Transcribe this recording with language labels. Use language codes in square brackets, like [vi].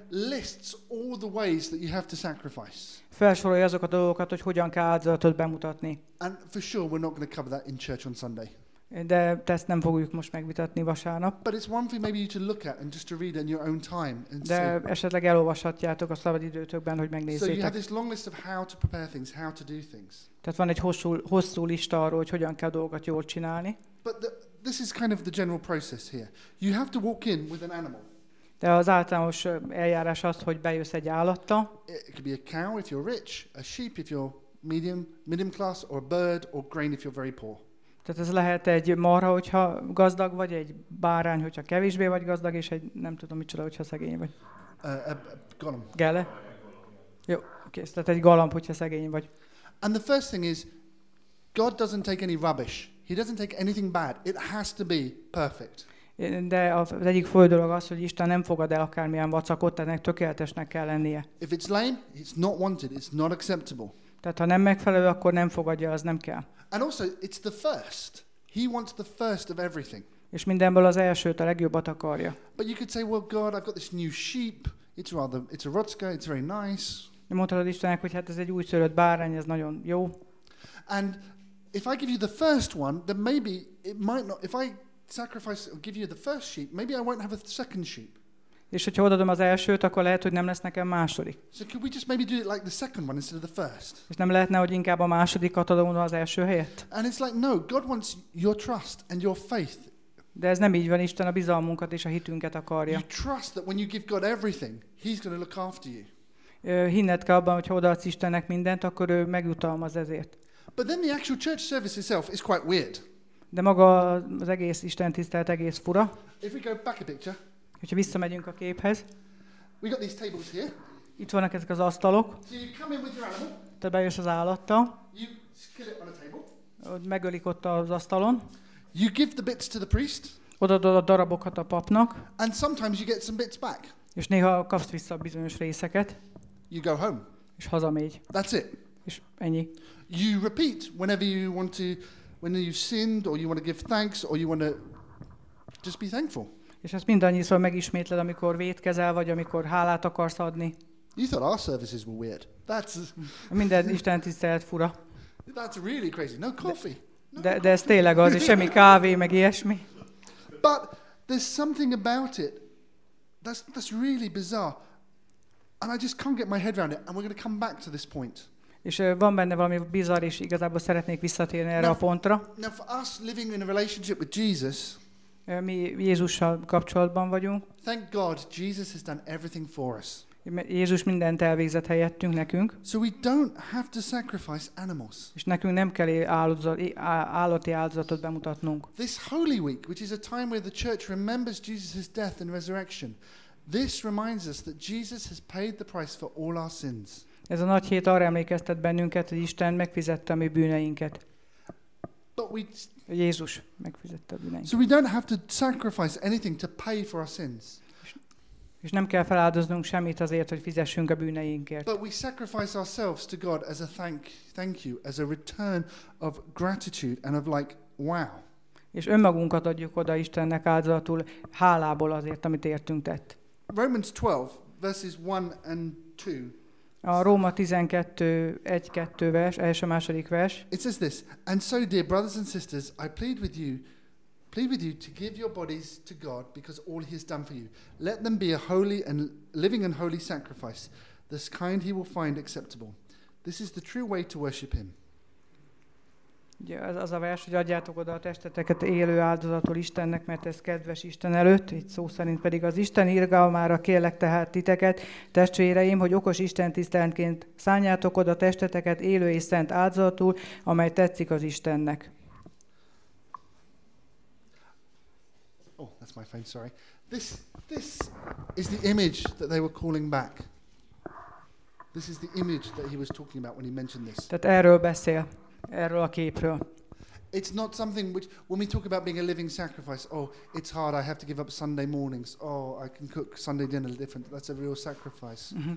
[en] Lists all the ways that you have to sacrifice. [hu] Felsorolja azokat a dolgokat, hogy hogyan kell áldozatot bemutatni. [en] And for sure we're not going to cover that in church on Sunday. [hu] De ezt nem fogjuk most megvitatni vasárnap. [en] But it's one thing maybe you to look at and just to read in your own time and [hu] de esetleg elolvashatjátok a szabad időtökben, hogy megnézzétek. [en] So you have this long list of how to prepare things, how to do things. [hu] Tehát van egy hosszú lista arról, hogy hogyan kell dolgokat jól csinálni. [en] But this is kind of the general process here. You have to walk in with an animal. [hu] De az általános eljárás az, hogy bejössz egy állattal. [en] It could be a cow if you're rich, a sheep if you're medium class, or a bird or grain if you're very poor. [hu] Tehát ez lehet egy marha, hogyha gazdag vagy, egy bárány, hogyha kevésbé vagy gazdag, és egy nem tudom micsoda, hogyha szegény vagy. Galamb. Gele? Jó, kész. Tehát egy galamb, hogyha szegény vagy. [en] And the first thing is, God doesn't take any rubbish. He doesn't take anything bad. It has to be perfect. [hu] De az egyik fő dolog az, hogy Isten nem fogad el akármilyen vacakot, ennek tökéletesnek kell lennie. [en] If it's lame, it's not wanted, it's not acceptable. [hu] Tehát ha nem megfelelő, akkor nem fogadja, az nem kell. [en] And also, it's the first. He wants the first of everything. [hu] És mindenből az elsőt, a legjobbat akarja. [en] But you could say, well, God, I've got this new sheep. It's a rotska, it's very nice. [hu] De mondhatod Istennek, hogy hát ez egy új szőrött bárány, ez nagyon jó. [en] And if I give you the first one, then maybe it might not, if I sacrifice or give you the first sheep, maybe I won't have a second sheep. [hu] És hogyha odaadom az elsőt, akkor lehet, hogy nem lesz nekem második. [en] So could we just maybe do it like the second one instead of the first? [hu] És nem lehetne, hogy inkább a másodikat adom az első helyett? [en] And it's like, no, God wants your trust and your faith. [hu] De ez nem így van, Isten a bizalmunkat és a hitünket akarja. [en] You trust that when you give God everything, he's going to look after you. [hu] Hinned kell abban, hogyha odaadsz Istennek mindent, akkor ő megjutalmaz ezért. [en] But then the actual church service itself is quite weird. [hu] De maga az egész Isten tisztelet egész fura. [en] If we go back a picture. [hu] Hogyha visszamegyünk a képhez. [en] We got these tables here. [hu] Itt vannak ezek az asztalok. [en] So you come in with your animal. [hu] Te bejössz az állattal. [en] You kill it on a table. [hu] Megölik ott az asztalon. [en] You give the bits to the priest. [hu] Odaadod a darabokat a papnak. [en] And sometimes you get some bits back. [hu] És néha kapsz vissza a bizonyos részeket. [en] You go home. [hu] És hazamegy. [en] That's it. [hu] És ennyi. [en] You repeat whenever you want to. When you sinned, or you want to give thanks, or you want to just be thankful. [hu] És ezt mindannyiszor megismétled, amikor vétkezel, vagy amikor hálát akarsz adni. [en] You thought our services were weird. That's [hu] minden Isten tisztelet fura. [en] That's really crazy. No coffee. [hu] De ez tényleg az, és semmi kávé, meg ilyesmi. [en] But there's something about it that's really bizarre. And I just can't get my head around it. And we're going to come back to this point. [hu] És van benne valami bizarr, és igazából szeretnék visszatérni erre [en] now, [hu] a pontra. [en] For us living in a relationship with Jesus, [hu] mi Jézussal kapcsolatban vagyunk. [en] Thank God, Jesus has done everything for us. [hu] Jézus mindent elvégzett helyettünk nekünk. [en] So we don't have to sacrifice animals. [hu] És nekünk nem kell állati áldozatot bemutatnunk. [en] This Holy Week, which is a time where the church remembers Jesus' death and resurrection, this reminds us that Jesus has paid the price for all our sins. [hu] Ez a nagy hét arra emlékeztet bennünket, hogy Isten megfizette a mi bűneinket. Jézus megfizette a bűneinket. [en] So we don't have to sacrifice anything to pay for our sins. [hu] És nem kell feláldoznunk semmit azért, hogy fizessünk a bűneinkért. [en] But we sacrifice ourselves to God as a thank you, as a return of gratitude and of like wow. [hu] És önmagunkat adjuk oda Istennek áldozatul, hálából azért, amit értünk tett. [en] Romans 12 verses 1 and 2. [hu] A Róma 12, 1-2 vers, első második vers. [en] It says this, and so dear brothers and sisters, I plead with you to give your bodies to God because all he has done for you. Let them be a holy and living and holy sacrifice, this kind he will find acceptable. This is the true way to worship him. [hu] Ja, az a vers, hogy adjátok oda a testeteket élő áldozatul Istennek, mert ez kedves Isten előtt, itt szó szerint pedig az Isten irgalmára kérlek tehát titeket, testvéreim, hogy okos Isten tiszteletként szálljátok oda a testeteket élő és szent áldozatul, amely tetszik az Istennek. [en] Oh, that's my phone, sorry. This is the image that they were calling back. This is the image that he was talking about when he mentioned this. [hu] Tehát erről beszél. Erről a képről. [en] It's not something which, when we talk about being a living sacrifice, oh, it's hard, I have to give up Sunday mornings, oh, I can cook Sunday dinner different, that's a real sacrifice.